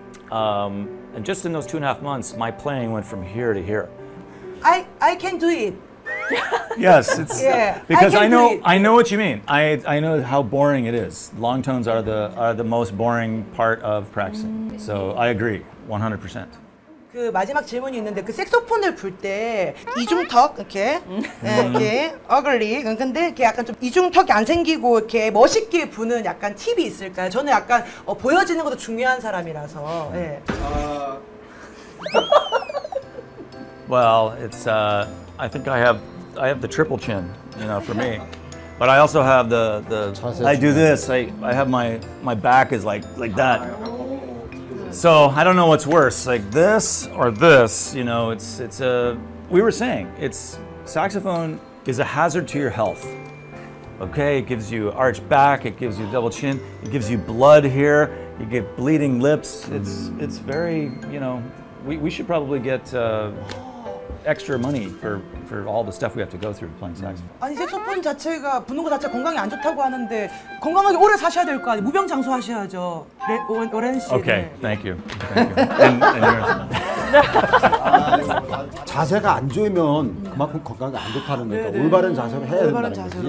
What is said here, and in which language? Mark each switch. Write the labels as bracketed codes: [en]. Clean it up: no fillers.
[en] And just in those 2.5 months, my playing went from here to here. I can do it. Yes, it's, yeah, because I know what you mean. I know how boring it is. Long tones are the most boring part of practicing. So I agree, 100%. [ko] 그 마지막 질문이 있는데 그 색소폰을 불 때 이중턱 이렇게 이렇게 ugly 근데 이렇게 약간 좀 이중턱이 안 생기고 이렇게 멋있게 부는 약간 팁이 있을까요? 저는 약간 보여지는 것도 중요한 사람이라서. 네. [en] Well, it's I think I have the triple chin, you know, for me. But I also have the I do this. I have my back is like that. So I don't know what's worse, like this or this. You know, we were saying, it's saxophone is a hazard to your health. Okay, it gives you arched back, it gives you double chin, it gives you blood here, you get bleeding lips. It's very, you know, we should probably get extra money for all the stuff we have to go through playing saxophone. [ko] 아니 색소폰 자체가 부는 거 자체 건강에 안 좋다고 하는데 건강하게 오래 사셔야 될 거 아니에요. 무병장수 하셔야죠. 오렌 씨. [en] Okay, thank you. Thank you. And yours. [ko] 자세가 안 좋으면 그만큼 건강에 안 좋다는 거니까 네네. 올바른 자세를 해야 된다는 거지.